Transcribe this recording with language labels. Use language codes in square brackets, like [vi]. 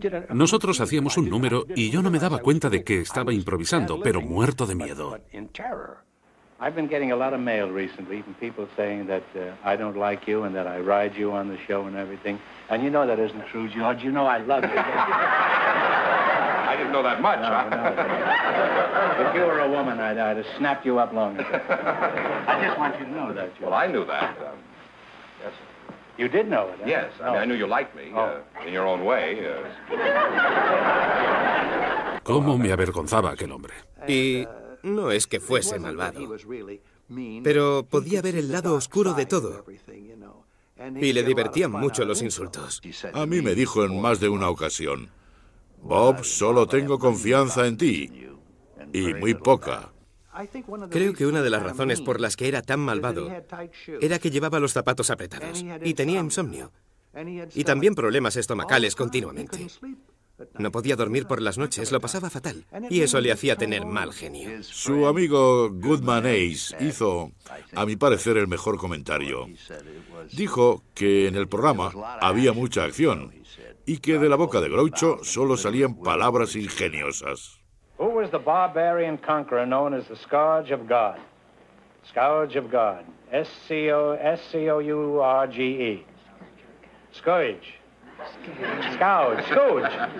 [es] Nosotros hacíamos un número y yo no me daba cuenta de que estaba improvisando, pero muerto de miedo. [en] I've been getting a lot of mail recently from people saying that I don't like you and that I ride you on the show and everything. And you know that isn't true, George. You know I love you. I didn't know that much. No. If you were a woman, I'd have snapped you up long ago. I just want you to know that, George. Well, I knew that. Yes, sir. You did know it, huh? Yes. I mean, I knew you liked me in your own way. [es] ¿Cómo me avergonzaba aquel hombre? No es que fuese malvado, pero podía ver el lado oscuro de todo. Y le divertían mucho los insultos. A mí me dijo en más de una ocasión, Bob, solo tengo confianza en ti, y muy poca. Creo que una de las razones por las que era tan malvado era que llevaba los zapatos apretados y tenía insomnio. Y también problemas estomacales continuamente. No podía dormir por las noches, lo pasaba fatal. Y eso le hacía tener mal genio. Su amigo Goodman Ace hizo, a mi parecer, el mejor comentario. Dijo que en el programa había mucha acción y que de la boca de Groucho solo salían palabras ingeniosas. [en] Who was the barbarian conqueror known as the Scourge of God? Scourge of God. S-C-O-S-C-O-U-R-G-E. Scourge. Scourge, Scourge.